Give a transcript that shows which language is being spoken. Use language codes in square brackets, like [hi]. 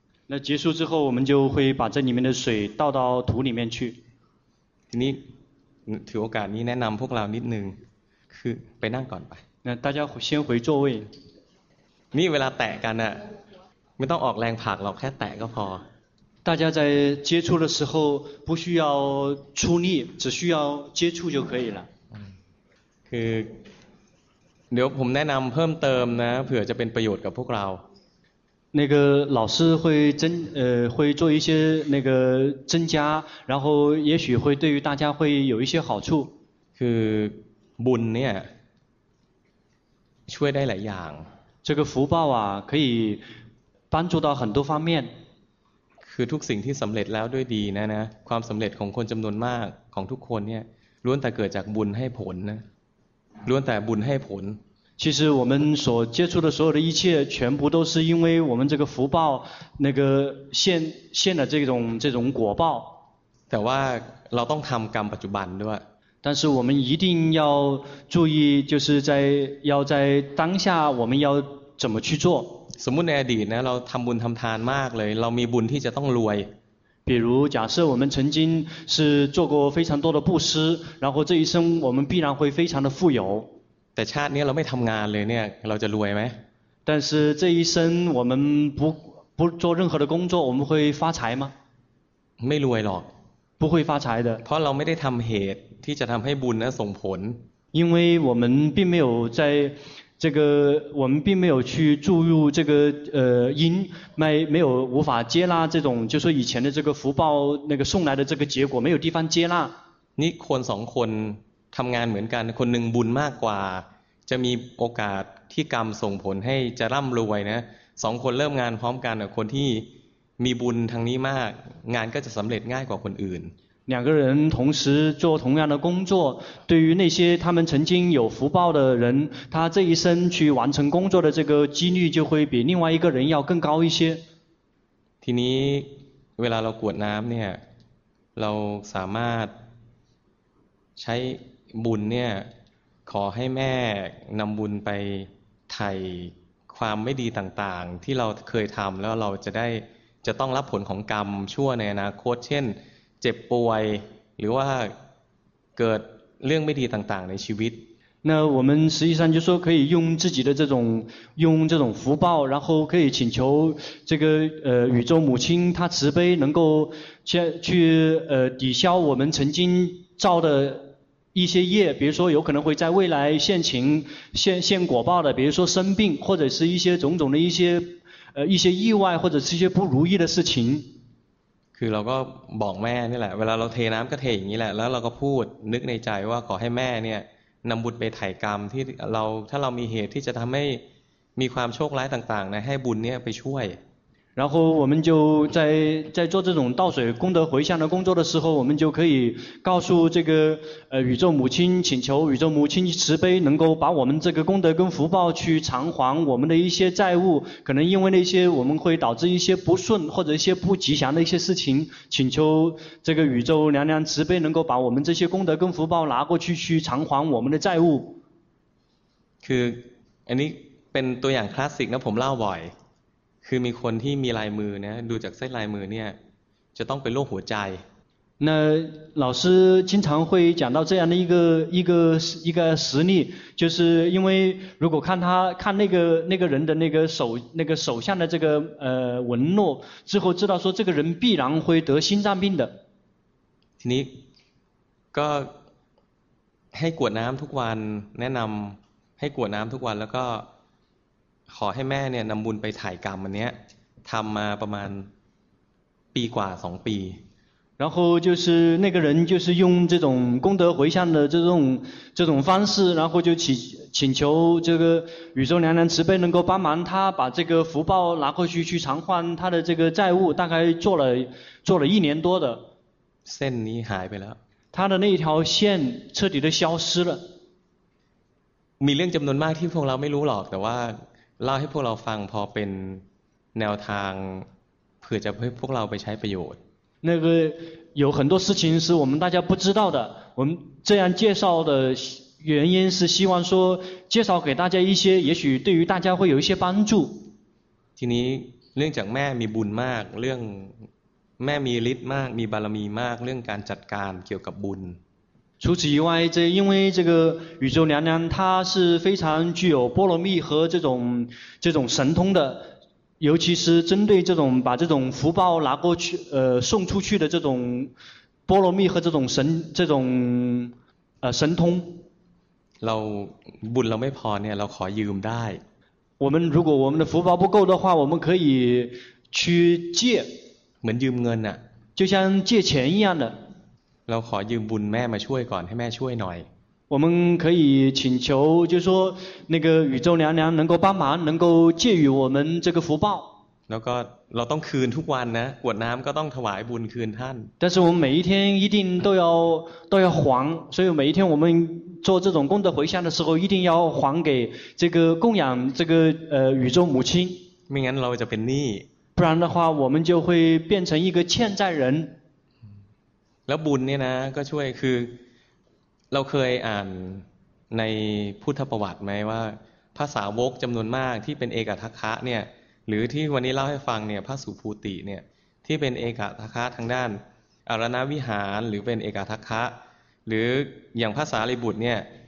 [zh] 那结束之后我们就会把这里面的水倒到土里面去 [th] ทีนี้ถือโอกาสนี้แนะนำพวกเรานิดนึงคือไปนั่งก่อนไป [zh] 那大家先回座位 [th] นี่เวลาแตะกันน่ะไม่ต้องออกแรงผักหรอกแค่แตะก็พอ [zh] 大家在接触的时候不需要出力只需要接触就可以了 [th] คือเดี๋ยวผมแนะนำเพิ่มเติมนะเผื่อจะเป็นประโยชน์กับพวกเรา [zh] 那个老师会增会做一些那个增加然后也许会对于大家会有一些好处 [th] คือบุญเนี่ยช่วยได้หลายอย่าง [zh] 这个福报啊可以帮助到很多方面 [th] คือทุกสิ่งที่สำเร็จแล้วด้วยดีนะนะความสำเร็จของคนจำนวนมากของทุกคนเนี่ยล้วนแต่เกิดจากบุญให้ผลนะล้วนแต่บุญให้ผล [zh] 其实我们所接触的所有的一切全部都是因为我们这个福报那个现的这种果报 [th] แต่ว่าเราต้องทำกรรมปัจจุบันด้วย [zh] 但是我们一定要注意就是在要在当下我们要怎么去做 [th] สมมุติในอดีตนะเราทําบุญทําทานมากเลยเรามีบุญที่จะต้องรวย [zh] 比如假设我们曾经是做过非常多的布施然后这一生我们必然会非常的富有 [th] แต่ชาตินี้เราไม่ทํางานเลยเนี่ยเราจะรวยมั้ย [zh] 但是这一生我们不做任何的工作我们会发财吗 [th] ไม่รวยหรอก [zh] 不会发财的 [th] เพราะเราไม่ได้ทําเหตุที่จะทำให้บุญนั้นส่งผล [zh] 因为我们并没有在这个我们并没有去注入这个因，没有无法接纳这种，就是、说以前的这个福报那个送来的这个结果没有地方接纳。你 [th] คน2คนทำงานเหมือนกันคนหนึ่งบุญมากกว่าจะมีโอกาสที่กรรมส่งผลให้จะร่ำรวยนะ2คนเริ่มงานพร้อมกันคนที่มีบุญทางนี้มากงานก็จะสำเร็จง่ายกว่าคนอื่น [zh] 两个人同时做同样的工作，对于那些他们曾经有福报的人，他这一生去完成工作的这个几率就会比另外一个人要更高一些。 [th] ทีนี้เวลาเรากวดน้ำเนี่ยเราสามารถใช้บุญเนี่ยขอให้แม่นำบุญไปไถ่ความไม่ดีต่างๆที่เราเคยทำแล้วเราจะได้จะต้องรับผลของกรรมชั่วในอนาคตเช่นเจ็บป่วยหรือว่าเกิดเรื่องไม่ดีต่างๆในชีวิต [zh] 那我们实际上就是说可以用自己的这种用这种福报然后可以请求这个宇宙母亲她慈悲能够去抵消我们曾经造的一些业比如说有可能会在未来现情现果报的比如说生病或者是一些种种的一些一些意外或者是一些不如意的事情 [th] คือเราก็บอกแม่นี่แหละเวลาเราเทน้ำก็เทอย่างนี้แหละแล้วเราก็พูดนึกในใจว่าขอให้แม่เนี่ยนำบุญไปไถ่กรรมที่เราถ้าเรามีเหตุที่จะทำให้มีความโชคร้ายต่างๆนะให้บุญเนี่ยไปช่วย [zh] 然后我们就在做这种倒水功德回向的工作的时候，我们就可以告诉这个宇宙母亲，请求宇宙母亲慈悲，能够把我们这个功德跟福报去偿还我们的一些债务。可能因为那些我们会导致一些不顺或者一些不吉祥的一些事情，请求这个宇宙娘娘慈悲，能够把我们这些功德跟福报拿过去偿还我们的债务。 [th] คืออันนี้เป็นตัวอย่างคลาสสิกนะผมเล่าบ่อยคือมีคนที่มีลายมือนะดูจากเส้นลายมือเนี่ยจะต้องเป็นโรคหัวใจ [zh] 那老师经常会讲到这样的一个实例就是因为如果看那个人的那个手相的这个纹络之后知道说这个人必然会得心脏病的 [th] ทีนี้ก็ให้กวดน้ำทุกวันแนะนำให้กวดน้ำทุกวันแล้วก็ขอให้แม่เนี่ยนำบุญไปถ่ายกรรมอันเนี้ยทำมาประมาณปีกว่า2ปี [zh] 然后就是那个人就是用这种功德回向的这种方式然后就请求这个宇宙娘娘慈悲能够帮忙他把这个福报拿过去偿还他的这个债务大概做了一年多的 [th] เส้นนี้หายไปแล้ว [zh] 他的那一条线彻底的消失了 [th] มีเรื่องจำนวนมากที่พวกเราไม่รู้หรอกแต่ว่าเล่าให้พวกเราฟังพอเป็นแนวทางเผื่อจะให้พวกเราไปใช้ประโยชน์ [zh] 那个有很多事情是我们大家不知道的我们这样介绍的原因是希望说介绍给大家一些也许对于大家会有一些帮助 [th] ทีนี้เรื่องจากแม่มีบุญมากเรื่องแม่มีฤทธิ์มากมีบารมีมากเรื่องการจัดการเกี่ยวกับบุญ [zh] 除此以外，这因为这个宇宙娘娘她是非常具有波罗蜜和这种神通的，尤其是针对这种把这种福报拿过去送出去的这种波罗蜜和这种神通。 [th] เราบุญเราไม่พอเนี่ยเราขอยืมได้。 [zh] 我们如果我们的福报不够的话，我们可以去借。 [th] เหมือนยืมเงินอ่ะ。 [zh] 就像借钱一样的。 [th] เราขอยืมบุญแม่มาช่วยก่อนให้แม่ช่วยหน่อย [zh] 我们可以请求就是说那个宇宙娘娘能够帮忙能够借予我们这个福报 [th] แล้วก็เราต้องคืนทุกวันนะกวดน้ำก็ต้องถวายบุญคืนท่าน [zh] 但是我们每一天一定都要还所以每一天我们做这种功德回向的时候一定要还给这个供养这个宇宙母亲 [th] ไม่งั้นเราจะเป็นหนี้ [zh] 不然的话我们就会变成一个欠债人 [th] แล้วบุญเนี่ยนะก็ช่วยคือเราเคยอ่านในพุทธประวัติไหมว่าพระสาวกจำนวนมากที่เป็นเอกทัคคะเนี่ยหรือที่วันนี้เล่าให้ฟังเนี่ยพระสุภูติเนี่ยที่เป็นเอกทัคคะทางด้านอรณวิหารหรือเป็นเอกทัคคะหรืออย่างพระสารีบุตรเนี่ย